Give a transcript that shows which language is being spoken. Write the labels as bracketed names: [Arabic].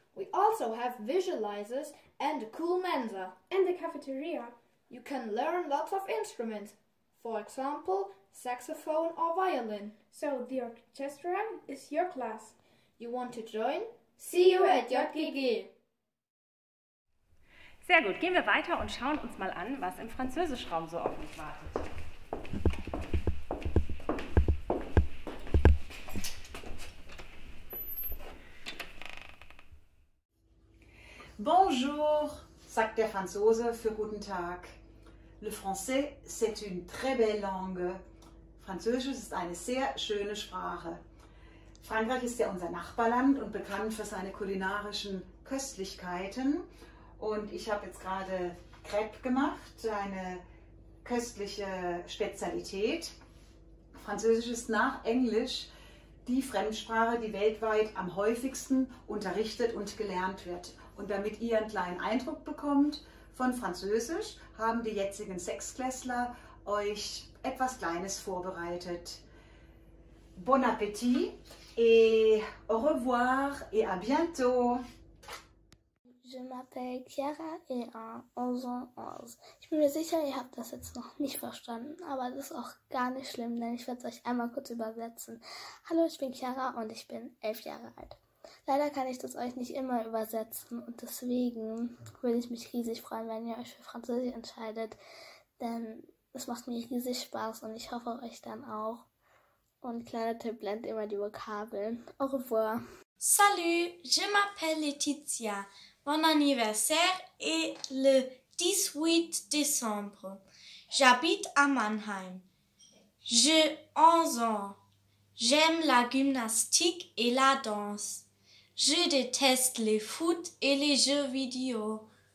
[English] We also have visualizers and a cool Mensa. And the cafeteria. You can learn lots of instruments. For example, saxophone or violin. So the orchestra is your class. You want to join? See you at JGG! [German] Sehr gut, gehen wir weiter und schauen uns mal an, was im Französischraum so auf uns wartet. Bonjour, sagt der Franzose für guten Tag. [French] Le français, c'est une très belle langue. [German] Französisch ist eine sehr schöne Sprache. Frankreich ist ja unser Nachbarland und bekannt für seine kulinarischen Köstlichkeiten. Und ich habe jetzt gerade Crêpe gemacht, eine köstliche Spezialität. Französisch ist nach Englisch die Fremdsprache, die weltweit am häufigsten unterrichtet und gelernt wird. Und damit ihr einen kleinen Eindruck bekommt von Französisch, haben die jetzigen Sechsklässler euch etwas Kleines vorbereitet. [French] Bon appétit et au revoir et à bientôt. Je m'appelle Chiara et un 11 ans. [German] Ich bin mir sicher, ihr habt das jetzt noch nicht verstanden, aber das ist auch gar nicht schlimm, denn ich werde es euch einmal kurz übersetzen. Hallo, ich bin Chiara und ich bin 11 Jahre alt. Leider kann ich das euch nicht immer übersetzen und deswegen würde ich mich riesig freuen, wenn ihr euch für Französisch entscheidet, denn es macht mir riesig Spaß und ich hoffe euch dann auch. Und kleiner Tipp, lernt immer die Vokabeln. [French] Au revoir. Salut, je m'appelle Laetitia. Mon anniversaire est le 18 décembre. J'habite à Mannheim. J'ai 11 ans. J'aime la gymnastique et la danse. Je déteste les foot et les jeux vidéo.